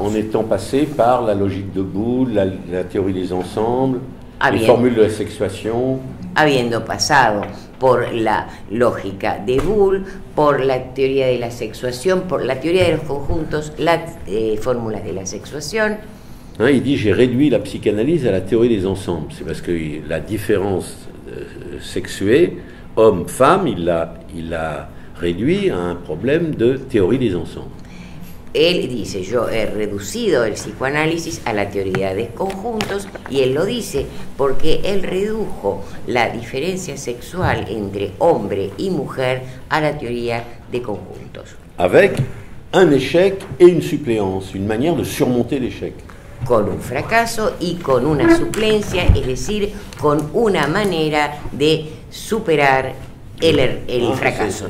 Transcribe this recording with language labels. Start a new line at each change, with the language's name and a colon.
French: En étant passé par la logique de Boole, la théorie des ensembles, les formules de la sexuation.
Spanish: Habiendo pasado por la lógica de Boole, por la teoría de la sexuación, por la teoría de los conjuntos, las fórmulas de la sexuación.
French: Hein, il dit j'ai réduit la psychanalyse à la théorie des ensembles. C'est parce que la différence sexué, homme-femme, il l'a réduit à un problème de théorie des ensembles.
Spanish: Él dice, yo he reducido el psicoanálisis a la teoría de conjuntos, y él lo dice porque él redujo la diferencia sexual entre hombre y mujer a la teoría de conjuntos.
French: Avec un échec et une suppléance, une manière de surmonter l'échec.
Spanish: Con un fracaso y con una suplencia, es decir, con una manera de superar el fracaso.